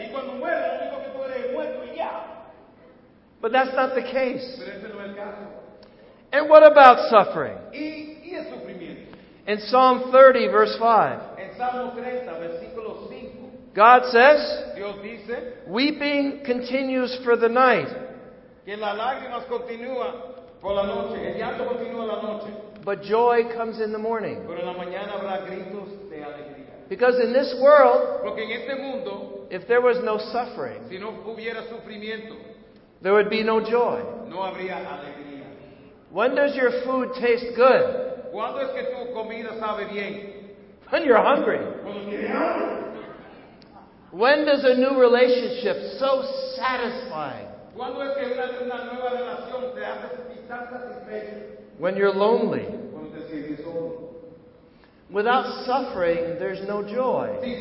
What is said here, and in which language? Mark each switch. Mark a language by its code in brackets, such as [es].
[es] Y cuando muera, digo que tú eres muerto y ya. [en] But that's not the case. [es] Pero ese no es el caso. [en] And what about suffering? [es] Y el sufrimiento. [en] In Psalm 30, verse 5. [es] En Salmo 30, versículo 5. [en] God says, [es] Dios dice, [en] weeping continues for the night. [es] Que las lágrimas continúan por la noche. El llanto continúa la noche. [en] But joy comes in the morning. [es] Pero en la mañana habrá gritos de alegría. [en] Because in this world, [es] porque en este mundo, [en] if there was no suffering, [es] si no hubiera sufrimiento, [en] there would be no joy. [es] No habría alegría. [en] When does your food taste good? [es] ¿Cuándo es que tu comida sabe bien? [en] When you're hungry. When does a new relationship so satisfying? [es] ¿Cuándo es que una nueva relación te hace tan satisfecho? [en] When you're lonely. [es] Cuando te sientes solo. [en] Without suffering, there's no joy.